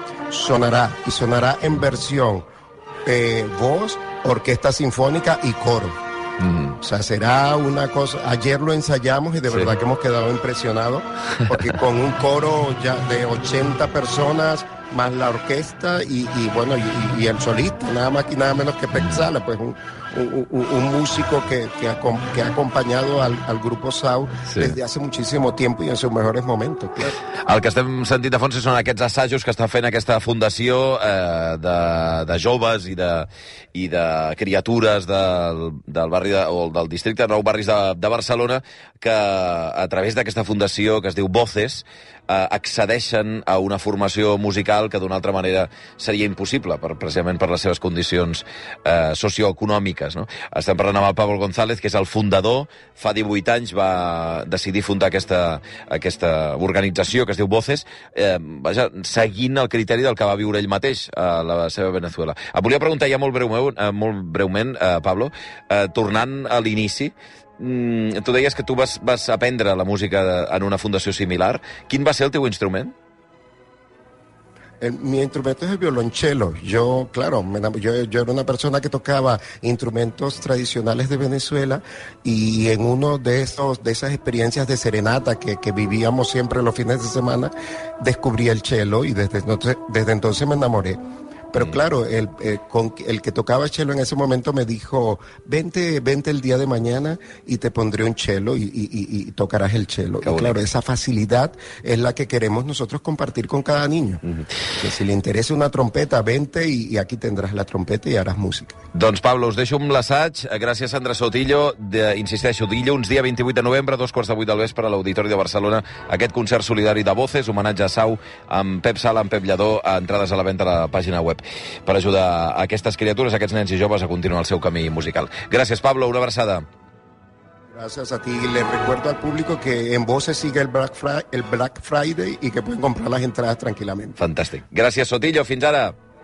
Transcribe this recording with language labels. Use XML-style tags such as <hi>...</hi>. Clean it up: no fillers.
<ca>Sonarà, i sonarà en versió voz, orquesta sinfònica i coro.</ca> <es>Mm. O sea, será una cosa. Ayer lo ensayamos y de verdad que hemos quedado impresionados, porque con un coro ya de 80 personas más la orquesta y el solista, nada más y nada menos que Pep Sala, pues un músico que ha acompañado al grupo Sau desde hace muchísimo tiempo y en sus mejores momentos, claro.</es> <ca>El que estem sentint de fons són aquests assajos que està fent aquesta fundació de joves i de criatures del barri del districte de Nou Barris de Barcelona, que a través d'aquesta fundació que es diu Voces, accedeixen a una formació musical que d'una altra manera seria impossible, per, precisament per les seves condicions socioeconòmiques. No? Estem parlant amb el Pablo González, que és el fundador. Fa 18 anys va decidir fundar aquesta organització que es diu Voces, vaja, seguint el criteri del que va viure ell mateix a la seva Venezuela. Et volia preguntar ja molt breument, Pablo, tornant a l'inici, tu deies que tu vas aprendre la música en una fundació similar. Quin va ser el teu instrument?</ca> <es>Mi instrumento es el violonchelo. Yo, claro, yo era una persona que tocaba instrumentos tradicionales de Venezuela, y en uno de esas experiencias de serenata que vivíamos siempre los fines de semana, descubrí el chelo y desde entonces me enamoré. Pero claro, el que tocaba chelo en ese momento me dijo, vente el día de mañana y te pondré un chelo y tocarás el chelo. Qué y claro, bonito. Esa facilidad es la que queremos nosotros compartir con cada niño. Uh-huh. Que si le interesa una trompeta, vente y aquí tendrás la trompeta y harás música.</es> <ca>Doncs Pablo, us deixo amb l'assaig. Gràcies, Sandra Sotillo. Insisteixo, dilluns, dia 28 de novembre, 7:45 del vespre, a l'Auditori de Barcelona, aquest concert solidari de Voces, homenatge a Sau, amb Pep Sala, amb Pep Lladó, a entrades a la venda a la pàgina web, per ajudar aquestes criatures, aquests nens i joves, a continuar el seu camí musical. Gràcies, Pablo, una abraçada.</ca> <es>Gracias a ti. Les recuerdo al público que en Voces sigue el Black Friday y que pueden comprar las entradas tranquilamente.</es> <ca>Fantàstic. Gràcies, Sotillo. Fins ara.</ca>